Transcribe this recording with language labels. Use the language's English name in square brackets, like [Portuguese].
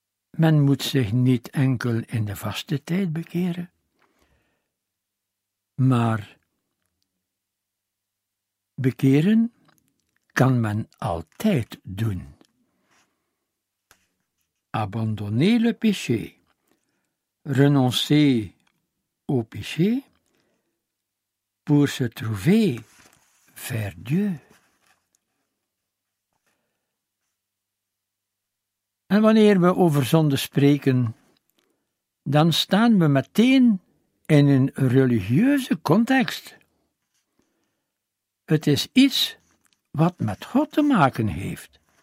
[Dutch] Men moet zich niet enkel in de vaste tijd bekeren, maar bekeren kan men altijd doen. [French] Abandonner le péché, renoncer au péché, pour se trouver vers Dieu. [Dutch] En wanneer we over zonde spreken, dan staan we meteen in een religieuze context. Het is iets wat met God te maken heeft.